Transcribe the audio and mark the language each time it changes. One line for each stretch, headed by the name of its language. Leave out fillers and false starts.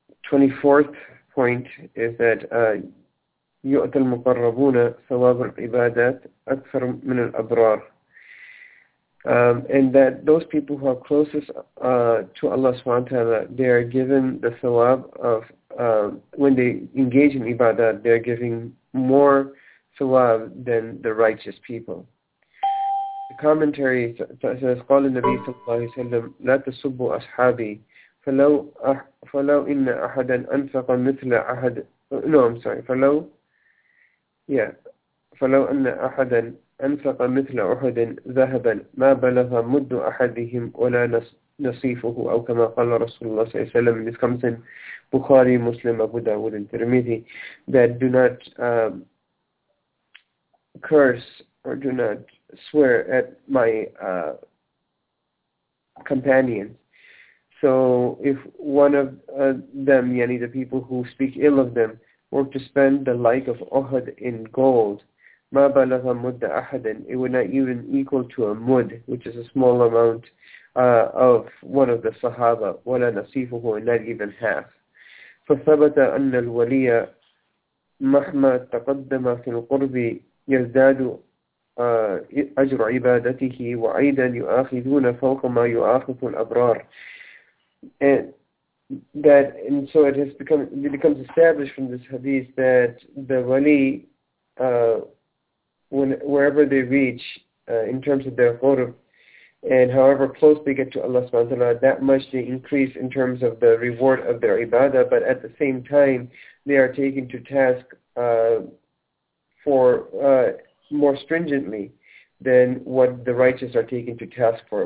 English: 24th point is that
Arabic: يُؤْتَى الْمُقَرَّبُونَ ثَوَابُ الْعِبَادَاتِ أَكْثَر مِنَ الْأَبْرَارِ.
English: And that those people who are closest to Allah subhanahu wa ta'ala, they are given the thawab of, when they engage in ibadat, they are giving more ثواب than the righteous people. The commentary says,
Arabic: قال النبي صلى الله عليه وسلم لا تسبوا أصحابي فلو إن أحدا أنفق مثل أحد
English: no I'm sorry
Arabic: فلو
English: yeah
Arabic: فلو أن أحدا أنفق مثل أحد ذهبا ما بلغ مد أحدهم ولا نصيفه أو كما قال رسول الله صلى الله عليه وسلم.
English: This comes in Bukhari, Muslim, Abu Dawud and Tirmidhi, that do not curse or do not swear at my companions. So if one of them, yani the people who speak ill of them, were to spend the like of Uhud in gold,
Arabic: ma balagha mudda ahadan,
English: it would not even equal to a mud, which is a small amount of one of the sahaba,
Arabic: wala nasifuhu,
English: and not even half.
Arabic: فثبت أن الولي مهما تقدم في القرب يزداد أجر عبادته وعيدا يؤاخذون فوق ما يؤاخذ الأبرار.
English: And that, and so it has become, it becomes established from this hadith that the wali, wherever they reach in terms of their qurb, and however close they get to Allah subhanahu wa ta'ala, that much they increase in terms of the reward of their ibadah, but at the same time they are taken to task for more stringently than what the righteous are taken to task for.